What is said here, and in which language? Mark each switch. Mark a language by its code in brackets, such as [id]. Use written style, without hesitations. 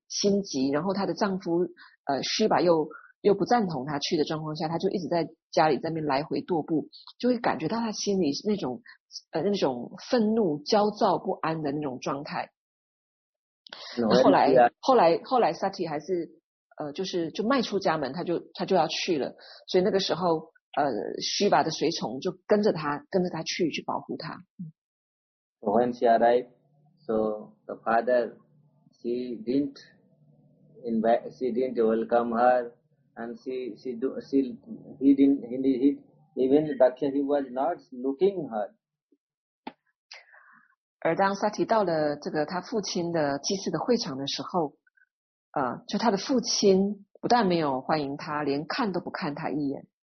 [zh] 心急，然后她的丈夫施巴又不赞同她去的状况下，她就一直在家里在那边来回踱步，就会感觉到她心里那种愤怒、焦躁不安的那种状态。那后来萨提还是就迈出家门，他就要去了，所以那个时候虚巴的随从就跟着他去保护他。 [en] So when she arrived, so the father, she didn't welcome her, and he didn't even Daksha, he was not looking her. [zh] 而当萨提到了这个他父亲的祭祀的会场的时候，就他的父亲不但没有欢迎他，连看都不看他一眼。